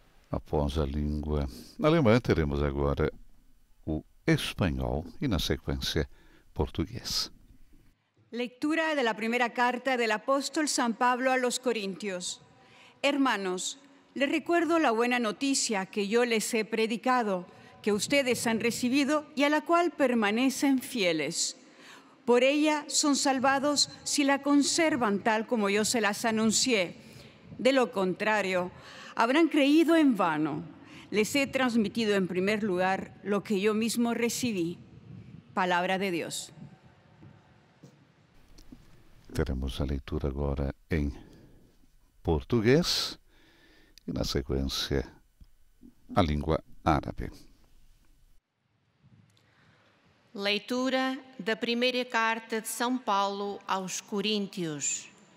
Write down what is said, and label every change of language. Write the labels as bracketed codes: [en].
[pt] Após a língua alemã, teremos agora o espanhol e, na sequência, português. [es] Lectura de la primera carta del apóstol San Pablo a los Corintios. Hermanos, les recuerdo la buena noticia que yo les he predicado, que ustedes han recibido y a la cual permanecen fieles. Por ella son salvados si la conservan tal como yo se las anuncié. De lo contrario, habrán creído en vano. Les he transmitido en primer lugar lo que yo mismo recibí. Palabra de Dios. [pt] Teremos a leitura agora em português e, na sequência, a língua árabe. Leitura da primeira carta de São Paulo aos Coríntios.